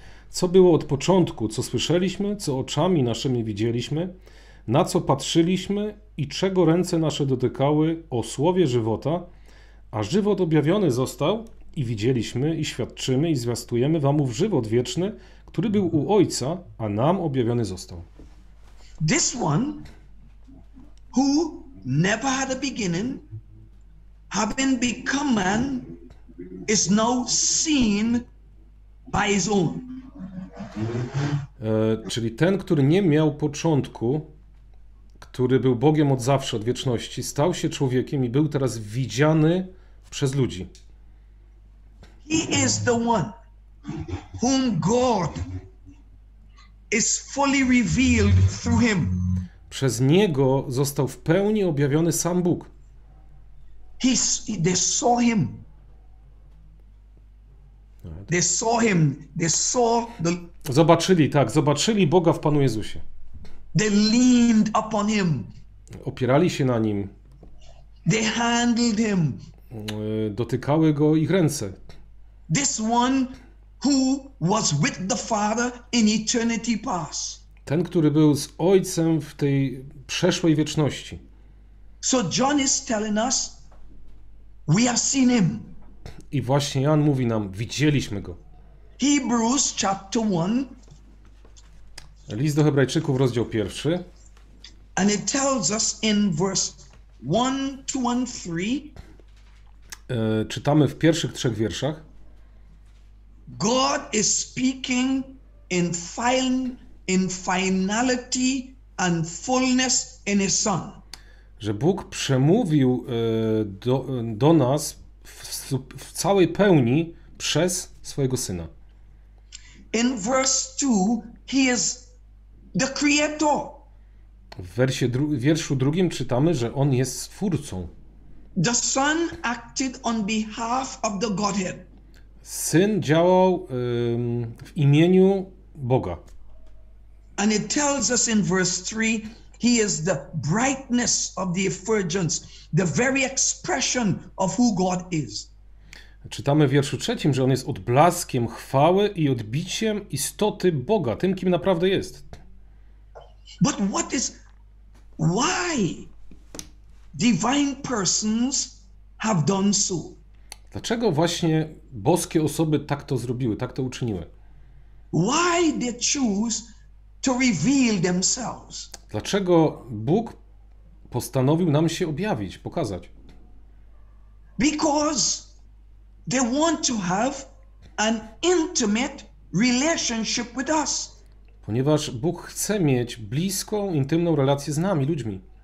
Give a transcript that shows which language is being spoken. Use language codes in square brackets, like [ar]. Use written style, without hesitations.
[pl] Co było od początku, co słyszeliśmy, co oczami naszymi widzieliśmy, na co patrzyliśmy i czego ręce nasze dotykały o słowie żywota, a żywot objawiony został i widzieliśmy i świadczymy i zwiastujemy wam ów żywot wieczny, który był u Ojca, a nam objawiony został. [en] This one, who never had a beginning, having become man, is now seen by his own. [pl] Czyli ten, który nie miał początku, który był Bogiem od zawsze, od wieczności, stał się człowiekiem i był teraz widziany przez ludzi. [en] He is the one whom God is fully revealed through him. [pl] Przez niego został w pełni objawiony sam Bóg. [en] They saw him. They saw him. They saw the... [pl] Zobaczyli, tak, zobaczyli Boga w Panu Jezusie. [en] They leaned upon him. [pl] Opierali się na nim. [en] They handled him. [pl] Dotykały go ich ręce. [en] This one who was with the Father in eternity past. [pl] Ten, który był z Ojcem w tej przeszłej wieczności. [en] So John is telling us, we have seen him. [pl] I właśnie Jan mówi nam, widzieliśmy go. [en] Hebrews chapter 1. [pl] List do Hebrajczyków, rozdział 1. [en] And it tells us in verse 1, 2 and 3. [pl] Czytamy w pierwszych trzech wierszach. [en] God is speaking in finality and fullness in his son. [pl] Że Bóg przemówił do nas w całej pełni przez swojego syna. [en] In verse 2 he is the creator. [pl] W wersie wierszu drugim czytamy, że on jest twórcą. [en] The Son acted on behalf of the Godhead. [pl] Syn działał w imieniu Boga. [en] And it tells us in verse 3, he is the brightness of the effulgence, the very expression of who God is. [pl] Czytamy w wierszu trzecim, że on jest odblaskiem chwały i odbiciem istoty Boga, tym kim naprawdę jest. [en] But what is, why divine persons have done so? [pl] Dlaczego właśnie boskie osoby tak to zrobiły, tak to uczyniły? [en] Why they choose to reveal themselves? [pl] Dlaczego Bóg postanowił nam się objawić, pokazać? [en] Because they want to have an intimate relationship with us. [pl] Ponieważ Bóg chce mieć bliską, intymną relację z nami, ludźmi.